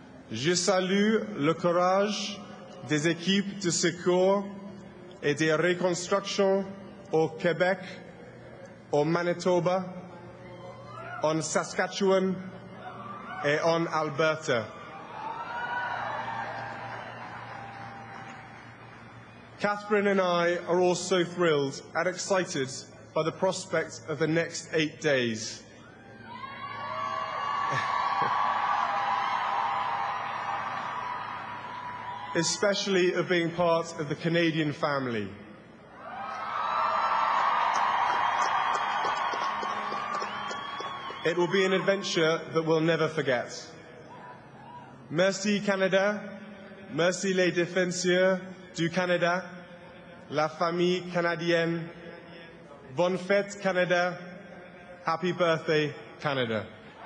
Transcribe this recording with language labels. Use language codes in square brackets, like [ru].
[fr] Je salue le courage des équipes de secours et de reconstruction au Québec, au Manitoba, en Saskatchewan et en Alberta. [en] Catherine and I are also thrilled and excited by the prospect of the next 8 days. Especially of being part of the Canadian family. It will be an adventure that we'll never forget. [fr] Merci Canada, merci les défenseurs du Canada, la famille canadienne, bonne fête Canada, [en] happy birthday Canada.